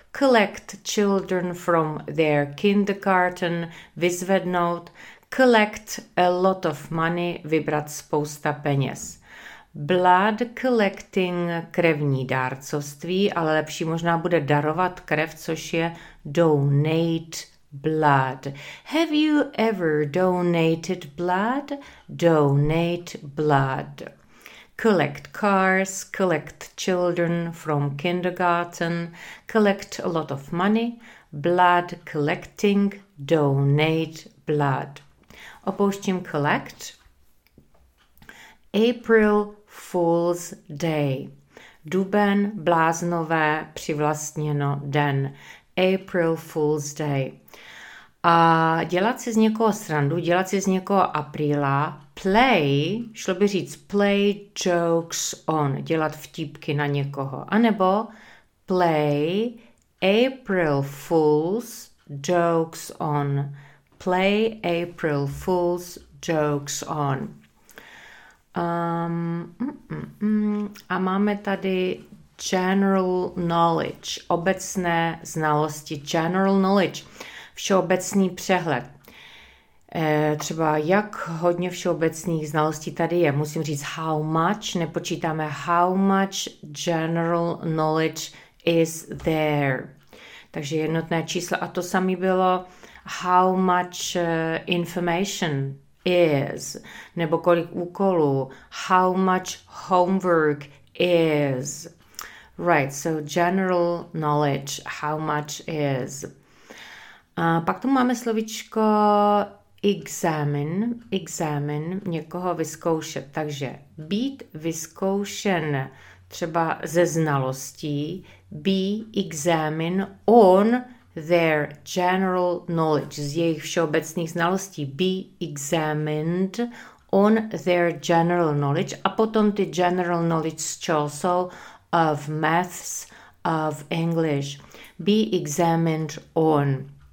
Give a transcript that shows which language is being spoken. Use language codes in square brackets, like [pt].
[en] Collect children from their kindergarten, [cs] vyzvednout. [en] Collect a lot of money, [cs] vybrat spousta peněz. [en] Blood collecting, [cs] krevní dárcovství, ale lepší možná bude darovat krev, což je [en] donate blood. Have you ever donated blood? Donate blood. Collect cars, collect children from kindergarten, collect a lot of money, blood collecting, donate blood. [cs] Opouštím [en] collect. April Fool's Day. [cs] Duben, bláznové, přivlastněno, den. April Fool's Day. A dělat si z někoho srandu, dělat si z někoho apríla, play, šlo by říct [en] play jokes on, [cs] dělat vtípky na někoho. A nebo [en] play April Fool's jokes on. Play April Fool's jokes on. [cs] A máme tady general knowledge, obecné znalosti, general knowledge, všeobecný přehled. Třeba jak hodně všeobecných znalostí tady je, musím říct how much, nepočítáme [en] how much general knowledge is there. [cs] Takže jednotné číslo a to samé bylo [en] how much information is, [cs] nebo kolik úkolů, [en] how much homework is. Right, so general knowledge, how much is. [cs] A pak tu máme slovíčko examine, examine, někoho vyzkoušet. Takže být vyzkoušen třeba ze znalostí, [en] be examine on their general knowledge, [cs] z jejich všeobecných znalostí, [en] be examined on their general knowledge [cs] a potom ty general knowledge z čeho jsou, [en] of maths, of English, be examined on.